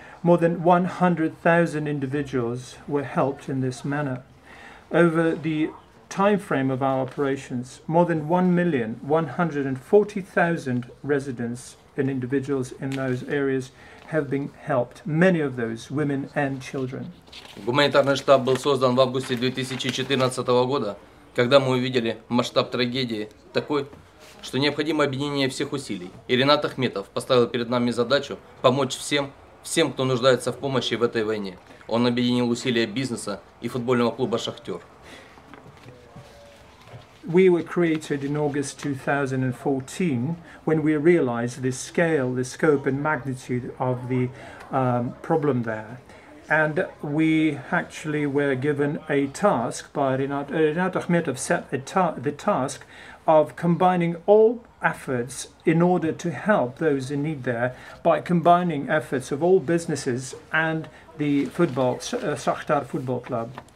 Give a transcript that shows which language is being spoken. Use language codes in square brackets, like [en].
[en] More than 100,000 individuals were helped in this manner. Over the time frame of our operations, more than 1,140,000 residents and individuals in those areas have been helped, many of those women and children. [ru] Гуманитарный штаб был создан в августе 2014 года, когда мы увидели масштаб трагедии такой, что необходимо объединение всех усилий. И Ринат Ахметов поставил перед нами задачу помочь всем, кто нуждается в помощи в этой войне. Он объединил усилия бизнеса и футбольного клуба «Шахтер». [en] We were created in August 2014 when we realized the scale, the scope and magnitude of the problem there. And we actually were given a task by Rinat Akhmetov, set the task of combining all efforts in order to help those in need there by combining efforts of all businesses and the football, Shakhtar football club.